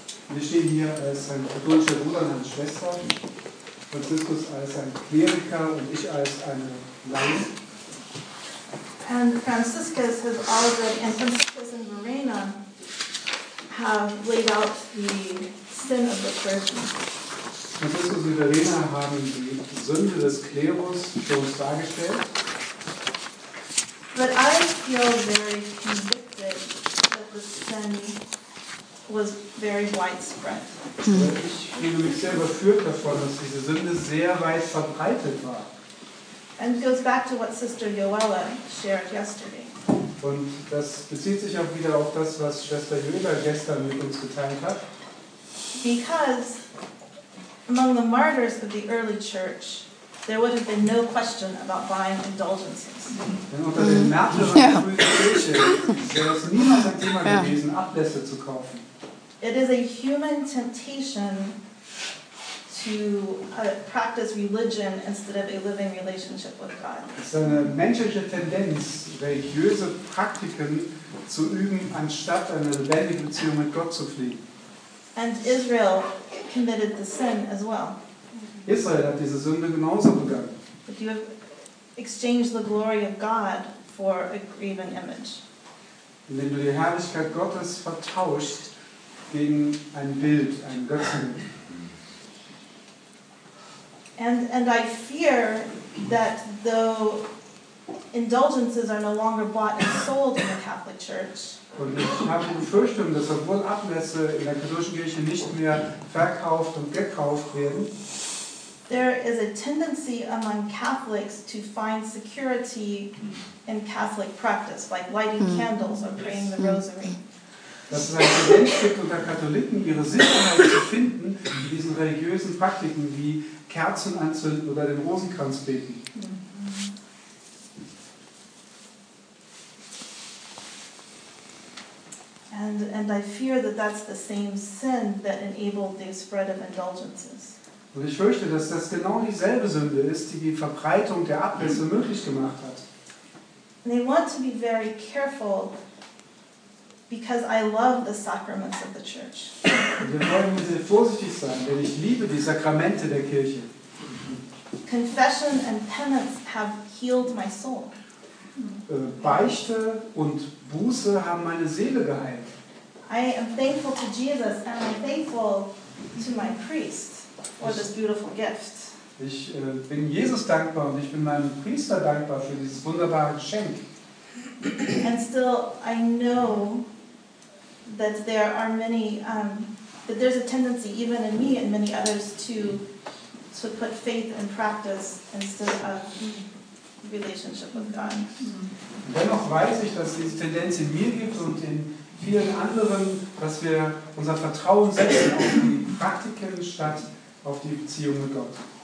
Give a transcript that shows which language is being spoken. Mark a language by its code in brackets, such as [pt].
[de] Wir stehen hier als ein katholischer Bruder und eine Schwester. Franziskus als ein Kleriker und ich als eine Laie. [en] And Franciscus has already, and Franciscus and Verena have laid out the sin of the clergy. [de] Franciscus und Verena haben die Sünde des Klerus für uns dargestellt. [en] But I feel very convicted that the sin was very widespread. [de] Ich fühle mich sehr überführt davon, dass diese Sünde sehr weit verbreitet war. [en] And it goes back to what Sister Yoella shared yesterday. [de] Und das bezieht sich auch wieder auf das, was Schwester Yoella gestern mit uns geteilt hat. [en] Because among the martyrs of the early church, there would have been no question about buying indulgences. [de] Denn unter den Märtyrern der frühen Kirche wäre es niemals ein Thema gewesen, Ablässe zu kaufen. [en] It is a human temptation to practice religion instead of a living relationship with God. [de] Es ist eine menschliche Tendenz, religiöse Praktiken zu üben, anstatt eine lebendige Beziehung mit Gott zu pflegen. [en] And Israel committed the sin as well. [de] Israel hat diese Sünde genauso begangen. [en] But you have exchanged the glory of God for a graven image. [de] Indem du die Herrlichkeit Gottes vertauscht gegen ein Bild, ein Götzenbild. [en] And I fear that though indulgences are no longer bought and sold in the Catholic Church. [de] Und ich habe die Befürchtung, dass obwohl Ablässe in der katholischen Kirche nicht mehr verkauft und gekauft werden, [en] there is a tendency among Catholics to find security in Catholic practice, like lighting candles or praying the rosary. [de] Dass es eine Tendenz gibt unter Katholiken, ihre Sicherheit zu finden in diesen religiösen Praktiken wie Kerzen anzünden oder den Rosenkranz beten. [en] And I fear that that's the same sin that enabled the spread of indulgences. [de] Und ich fürchte, dass das genau dieselbe Sünde ist, die die Verbreitung der Ablässe möglich gemacht hat. [en] And they want to be very careful because I love the sacraments of the church. [de] Und wir wollen sehr vorsichtig sein, denn ich liebe die Sakramente der Kirche. [en] Confession and penance have healed my soul. [de] Beichte und Buße haben meine Seele geheilt. [en] I am thankful to Jesus and I'm thankful to my priest for this beautiful gift. [de] Ich bin Jesus dankbar und ich bin meinem Priester dankbar für dieses wunderbare Geschenk. [en] And still I know that there are many that there's a tendency even in me and many others to put faith in practice instead of relationship with God. Mm-hmm. [de] Dennoch weiß ich, dass diese Tendenz in mir gibt und in vielen anderen, dass wir unser Vertrauen setzen auf die Praktiken statt auf die Beziehung mit Gott.